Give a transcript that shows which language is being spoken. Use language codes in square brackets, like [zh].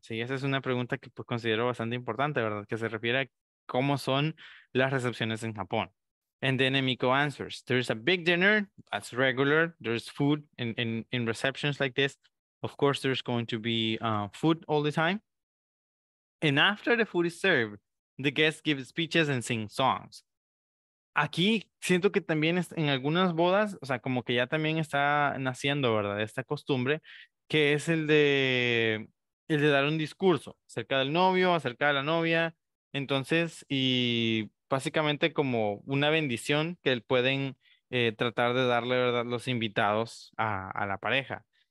[es] Sí, esa es una pregunta que pues considero bastante importante, ¿verdad?, que se refiere a cómo son las recepciones en Japón. [en] And then Emiko answers, there's a big dinner, that's regular, there's food in receptions like this. Of course, there's going to be food all the time. And after the food is served, the guests give speeches and sing songs. [es] Aquí siento que también en algunas bodas, o sea, como que ya también está naciendo, ¿verdad?, esta costumbre, que es el de el de dar un discurso acerca del novio, acerca de la novia. Entonces, y básicamente como una bendición que pueden tratar de darle, ¿verdad?, los invitados a la pareja.